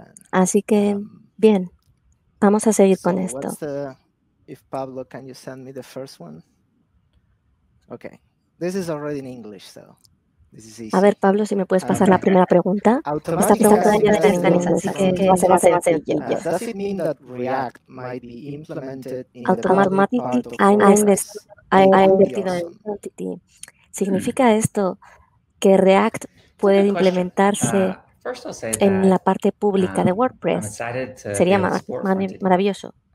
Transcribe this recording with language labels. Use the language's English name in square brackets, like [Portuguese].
[Spanish] Así que, bien, vamos a seguir con esto. [English] If Pablo, can you send me the first one? Okay. This is already in English, so this is easy. [Spanish] A ver, Pablo, si me puedes pasar la primera pregunta. Esta pregunta ya está en inglés, así que va a ser más sencillo. [English] Does it mean that React might be implemented in [Spanish] Ha invertido en Quantity. ¿Significa esto que React puede implementarse en la parte pública de WordPress? Sería maravilloso.